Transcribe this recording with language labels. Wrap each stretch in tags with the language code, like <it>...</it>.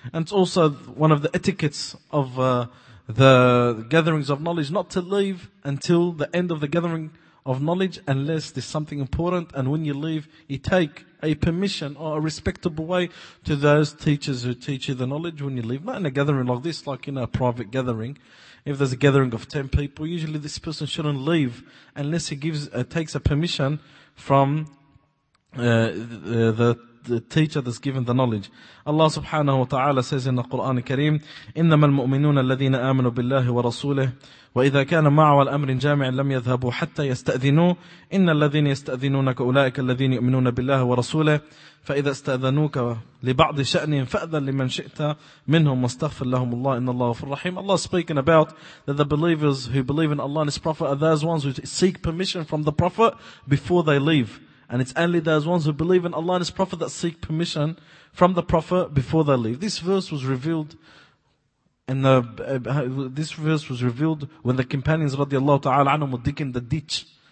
<en>And it's also one of the etiquettes of the gatherings of knowledge, not to leave until the end of the gathering of knowledge, unless there's something important, and when you leave, you take a permission or a respectable way to those teachers who teach you the knowledge when you leave. Not in a gathering like this, like in a private gathering. If there's a gathering of 10 people, usually this person shouldn't leave unless he takes a permission from the teacher that's given the knowledge. Allah subhanahu wa ta'ala says in the Quran Kareem,</en> <ar>إِنَّمَا الْمُؤْمِنُونَ الَّذِينَ آمَنُوا بِاللَّهِ وَرَسُولِهِ وَإِذَا كَانَ مَعَوَى الْأَمْرِ جَامِعٍ لَمْ يَذْهَبُوا حَتَّى يَسْتَأْذِنُوا إِنَّ الَّذِينَ يَسْتَأْذِنُونَكَ أُولَئِكَ الَّذِينَ يُؤْمِنُونَ بِاللَّهِ وَرَسُولِهِ فإذا استأذنوك لبعض شأنهم فأذن لمن شئت منهم واستغفر لهم الله إن الله غفور رحيم.</ar> <en>Allah is speaking about that the believers who believe in Allah and His Prophet are those ones who seek permission from the Prophet before they leave. And it's only those ones who believe in Allah and His Prophet that seek permission from the Prophet before they leave. This verse was revealed when the companions radiallahu ta'ala anhum were digging the ditch.</en>